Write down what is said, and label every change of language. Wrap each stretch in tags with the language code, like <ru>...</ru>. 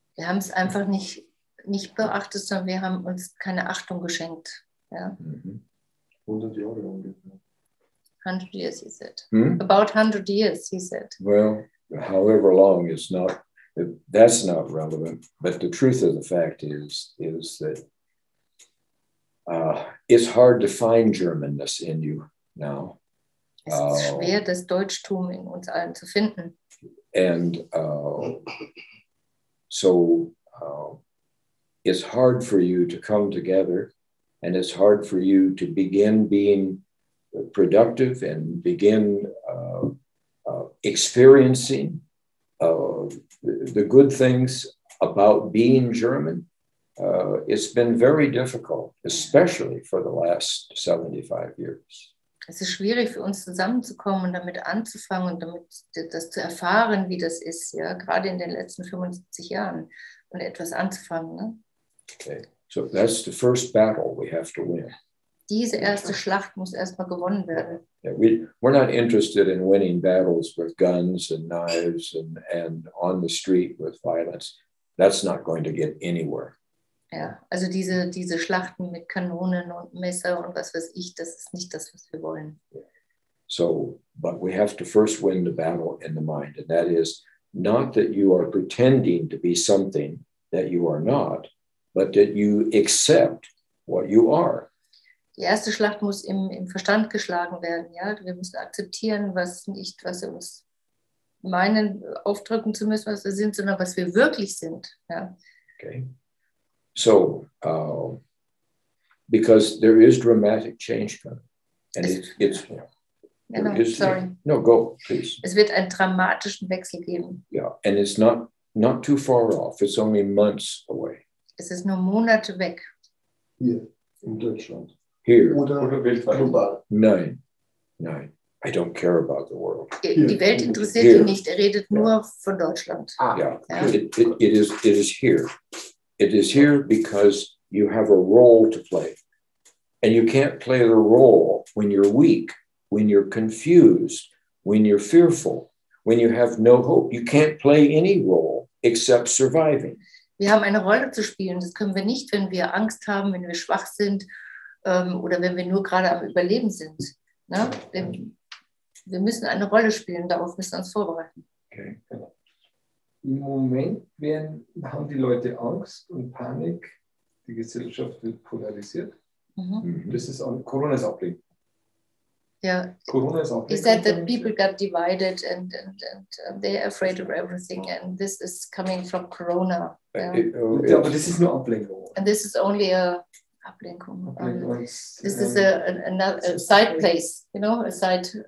<de>Wir haben es einfach nicht beachtet, sondern wir haben uns keine Achtung geschenkt. Ja. Mm-hmm.</de> <en>100 years, he said. Hmm? About 100 years, he said. Well, however long is not, that's not relevant. But the truth of the fact is that it's hard to find Germanness in you now.</en> <de>Es ist schwer, das Deutschtum in uns allen zu finden.</de> <en>And so it's hard for you to come together and it's hard for you to begin being productive and begin experiencing the good things about being German. It's been very difficult, especially for the last 75 years.</en> <de>Es ist schwierig für uns zusammenzukommen und damit anzufangen und damit das zu erfahren, wie das ist, ja, gerade in den letzten 75 Jahren und etwas anzufangen. Ne?</de> <en>Okay, so that's the first battle we have to win.</en> <de>Diese erste Schlacht muss erstmal gewonnen werden.</de> <en>Yeah, we're not interested in winning battles with guns and knives and on the street with violence. That's not going to get anywhere.</en> <de>Ja, also diese Schlachten mit Kanonen und Messer und was weiß ich, das ist nicht das, was wir wollen.</de> <en>So, but we have to first win the battle in the mind. And that is not that you are pretending to be something that you are not, but that you accept what you are.</en> <de>Die erste Schlacht muss im Verstand geschlagen werden, ja. Wir müssen akzeptieren, was wir uns meinen, aufdrücken zu müssen, was wir sind, sondern was wir wirklich sind, ja.</de> <en>Okay. So, because there is dramatic change coming, and it's yeah.</en> <de>Genau, sorry.</de> <en>No, go, please.</en> <de>Es wird einen dramatischen Wechsel geben.</de> <en>Yeah, and it's not too far off. It's only months away.</en> <de>Es ist nur Monate weg. Hier in Deutschland.</de> <en>Here.</en> <de>Oder weltweit. Global.</de> <en>Nein. I don't care about the world.</en> <de>Die Welt interessiert ihn nicht. Er redet nur von Deutschland.</de> <en>Ah. Yeah. It is here. It is here because you have a role to play. And you can't play the role when you're weak, when you're confused, when you're fearful, when you have no hope. You can't play any role except surviving.</en> <de>Wir haben eine Rolle zu spielen. Das können wir nicht, wenn wir Angst haben, wenn wir schwach sind oder wenn wir nur gerade am Überleben sind. Ne? Wir müssen eine Rolle spielen. Darauf müssen wir uns vorbereiten.</de> <en>Okay.</en> <de>Im Moment haben die Leute Angst und Panik. Die Gesellschaft wird polarisiert. Mhm. Corona ist abgelehnt.</de> <en>Yeah. Corona is he said that people got divided and they're afraid of everything, and this is coming from Corona. Yeah, but this is not Ablenkung. And this is only a Ablenkung. This is a side place, you know, a side</en>